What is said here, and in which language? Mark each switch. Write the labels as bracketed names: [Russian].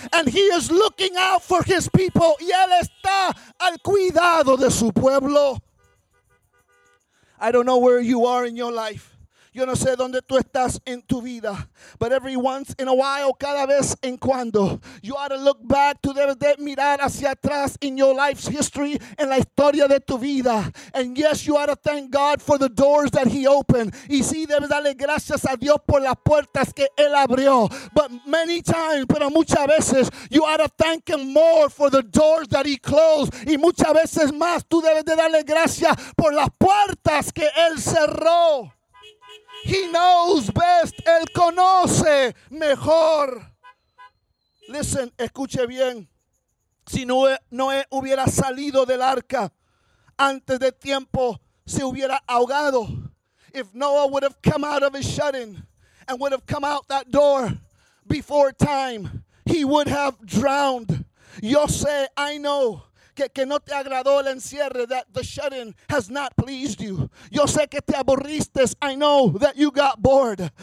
[English] And he is looking out for his people. [Spanish] Y él está al cuidado de su pueblo. [English] I don't know where you are in your life. [Spanish] Yo no sé dónde tú estás en tu vida. [English] But every once in a while, [Spanish] cada vez en cuando, [English] you ought to look back. [Spanish] Tú debes de mirar hacia atrás [English] in your life's history, [Spanish] en la historia de tu vida. [English] And yes, you ought to thank God for the doors that he opened. [Spanish] Y sí, debes darle gracias a Dios por las puertas que él abrió. [English] But many times, [Spanish] pero muchas veces, [English] you ought to thank him more for the doors that he closed. [Spanish] Y muchas veces más, tú debes de darle gracias por las puertas que él cerró. [English] He knows best. [Spanish] Él conoce mejor. [English] Listen, [Spanish] escuche bien. Si Noé hubiera salido del arca antes de tiempo, se hubiera ahogado. [English] If Noah would have come out of his shut-in and would have come out that door before time, he would have drowned. [Spanish] Yo sé, [English] I know. [Spanish] Que no te agradó el encierre, [English] that the shut-in has not pleased you. [Spanish] Yo sé que te aburriste, [English] I know that you got bored.